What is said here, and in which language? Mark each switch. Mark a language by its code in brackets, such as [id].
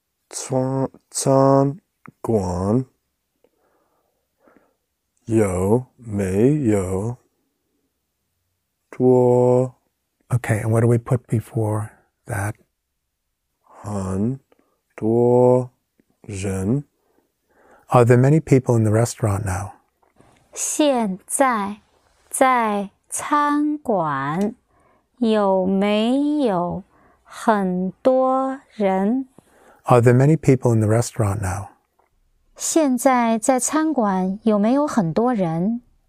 [zh] 餐馆有没有桌? [en] Okay, and what do we put before that? [zh] 很多人. [en] Are there many people in the restaurant now? [zh] 现在在餐馆有没有很多人? [en] Are there many people in the restaurant now? [zh] 现在在餐馆有没有很多人?